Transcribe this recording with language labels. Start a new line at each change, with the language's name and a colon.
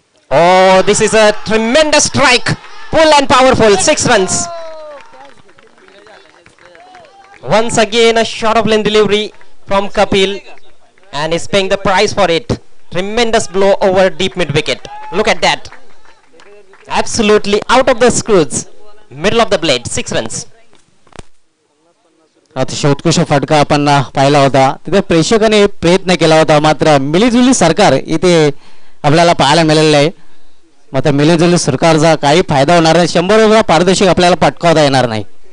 English: Oh this is a tremendous strike, pull and powerful, 6 runs. Once again a short of length delivery from Kapil and is paying the price for it. Tremendous blow over deep mid wicket. Look at that, absolutely out of the screws, middle of the blade, 6 runs.
Marathi: अतिशय उत्कृष्ट फटका आपण पाहिला होता. तिथे प्रेक्षकाने प्रयत्न केला होता, मात्र
Hindi: मिलीजुली सरकार
Marathi: इथे आपल्याला पाहायला मिळालेलं आहे. मात्र
Hindi: मिलीजुली सरकारचा
Marathi: काही फायदा होणार नाही, 100 पारदर्शक आपल्याला पटकावता येणार नाही.